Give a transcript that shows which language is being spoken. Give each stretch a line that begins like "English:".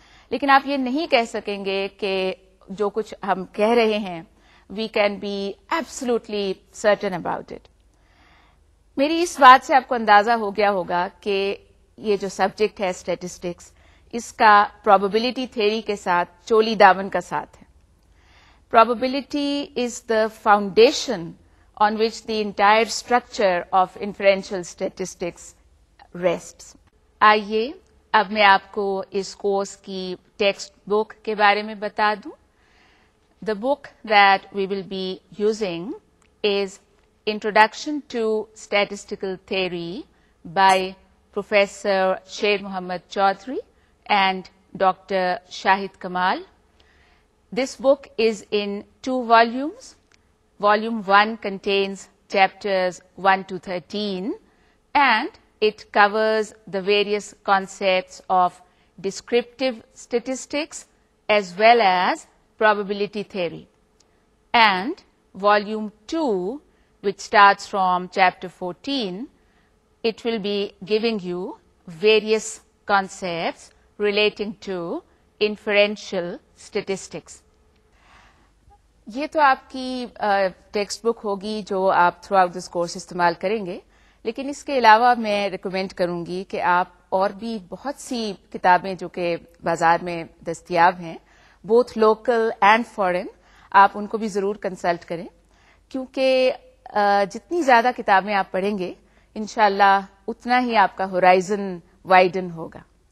Urdu: لیکن آپ یہ نہیں کہہ سکیں گے کہ جو کچھ ہم کہہ رہے ہیں
English: We can be absolutely certain about it.
Urdu: میری اس بات سے آپ کو اندازہ ہو گیا ہوگا کہ یہ جو سبجیکٹ ہے اسٹیٹسٹکس, اس کا پرابیبلٹی تھیوری کے ساتھ چولی دامن کا ساتھ ہے.
English: Probability is the foundation on which the entire structure of inferential statistics rests.
Urdu: آئیے اب میں آپ کو اس کورس کی ٹیکسٹ بک کے بارے میں بتا دوں.
English: The book that we will be using is introduction to statistical theory by professor Sher Muhammad Chaudhry and doctor Shahid Kamal. This book is in two volumes. Volume 1 contains chapters 1-13 and it covers the various concepts of descriptive statistics as well as probability theory, and volume 2 which starts from chapter 14 it will be giving you various concepts relating to inferential statistics.
Urdu: ye to aapki textbook hogi jo aap
English: throughout this course
Urdu: istemal karenge, لیکن اس کے علاوہ میں recommend کروں گی کہ آپ اور بھی بہت سی کتابیں جو کہ بازار میں دستیاب ہیں,
English: both local and foreign,
Urdu: آپ ان کو بھی ضرور کنسلٹ کریں, کیونکہ جتنی زیادہ کتابیں آپ پڑھیں گے انشاءاللہ اتنا ہی آپ کا ہورائزن وائڈن ہوگا.